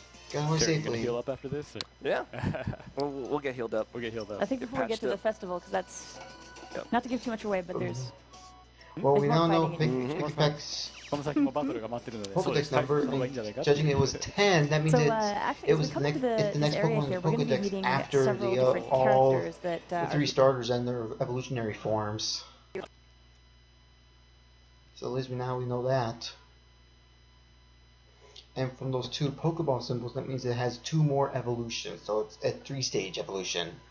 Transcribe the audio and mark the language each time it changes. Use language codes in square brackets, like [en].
[en] Can we heal up after this? we'll get healed up. I think before we get to the festival, because that's not to give too much away, but there's. Well, we now know Pikachu's [ja] この先もバトルが待ってるので、そうですね。そのままいいんじゃないか。 [en] Judging it was 10, that means it was the next Pokemon Pokedex after all the three starters and their evolutionary forms. So at least now we know that. And from those two Pokeball symbols, that means it has two more evolutions, so it's a three-stage evolution.